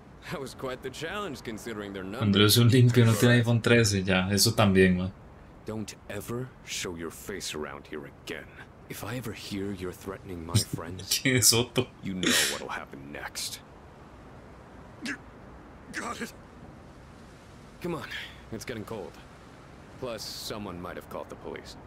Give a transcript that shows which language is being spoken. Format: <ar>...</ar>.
<en>That was quite the challenge considering their numbers.</en> <es>Andrew es un limpio, no tiene iPhone 13, ya, eso también, weón.</es> <en>Don't ever show your face around here again. If I ever hear you're threatening my friends,</en> <es>¿quién es Otto?</es> <en>You know what'll happen next. Got it. Come on. It's getting cold. Plus, someone might have called the police.</en>